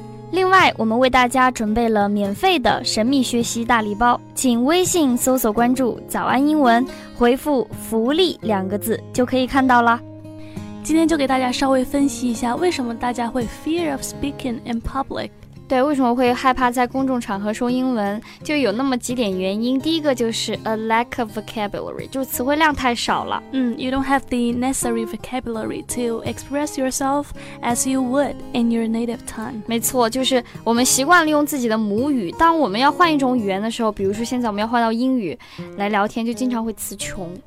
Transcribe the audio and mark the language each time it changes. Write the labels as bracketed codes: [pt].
[zh] 另外我们为大家准备了免费的神秘学习大礼包，请微信搜索关注早安英文，回复福利两个字就可以看到了。今天就给大家稍微分析一下，为什么大家会 [en] fear of speaking in public。 [zh] 对，为什么会害怕在公众场合说英文，就有那么几点原因。第一个就是 [en] a lack of vocabulary， [zh] 就词汇量太少了。 [en] You don't have the necessary vocabulary to express yourself as you would in your native tongue。 [zh] 没错，就是我们习惯利用自己的母语，当我们要换一种语言的时候，比如说现在我们要换到英语来聊天，就经常会词穷。